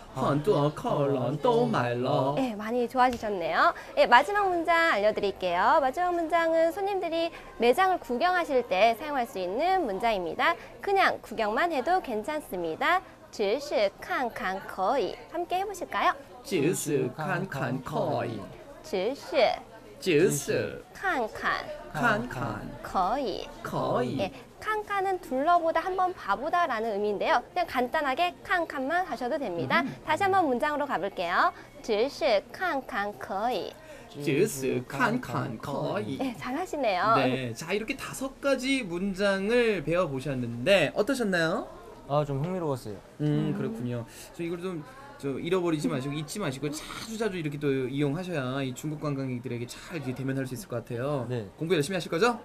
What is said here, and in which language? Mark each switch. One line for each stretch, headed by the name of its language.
Chinese: 很多客人都买了.很多客人都买了.
Korean: 예, 많이 좋아지셨네요. 예, 마지막 문장 알려드릴게요. 마지막 문장은 손님들이 매장을 구경하실 때 사용할 수 있는 문장입니다. 그냥 구경만 해도 괜찮습니다.
Chinese: 只是看看可以.
Korean: 함께 해보실까요?
Chinese: 只是看看可以. 只是看看可以可以.
Korean: 네, 看看은 둘러보다 한번 봐보다라는 의미인데요. 그냥 간단하게 看看만 하셔도 됩니다. 다시 한번 문장으로 가볼게요.
Chinese: 只是看看可以只是看看可以.
Korean: 네, 잘하시네요. 네, 자, 이렇게 다섯 가지 문장을 배워보셨는데 어떠셨나요? 아, 좀 흥미로웠어요. 그렇군요. 저 이걸 좀 저 잃어버리지 마시고 잊지 마시고 자주 이렇게 또 이용하셔야 이 중국 관광객들에게 잘 대면할 수 있을 것 같아요. 네. 공부 열심히 하실 거죠?